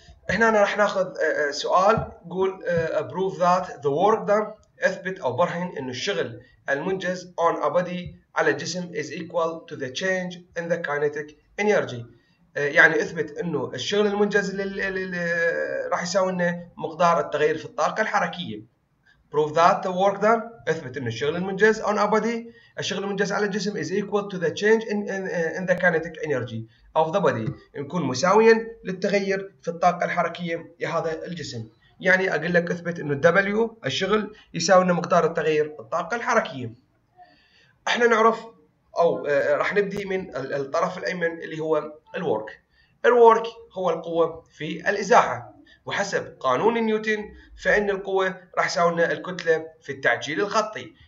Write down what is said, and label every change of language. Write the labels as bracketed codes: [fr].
[ar] هنا أنا رح ناخذ سؤال يقول [en] prove that the work done، [ar] اثبت او برهن ان الشغل المنجز [en] on a body [ar] على الجسم [en] is equal to the change in the kinetic energy، [ar] يعني اثبت انه الشغل المنجز راح يساوي لنا مقدار التغير في الطاقة الحركية. [en] prove that the work done، [ar] اثبت ان الشغل المنجز [en] on a body، [ar] الشغل المنجز على الجسم [en] is equal to the change in the kinetic energy of the body، [ar] يكون مساويا للتغير في الطاقة الحركية لهذا الجسم. يعني أقول لك أثبت إنه W الشغل يساوي مقدار التغير الطاقة الحركية. إحنا نعرف أو راح نبدي من الطرف الأيمن اللي هو الورك. الورك هو القوة في الإزاحة، وحسب قانون نيوتن فإن القوة راح تساوي الكتلة في التعجيل الخطي.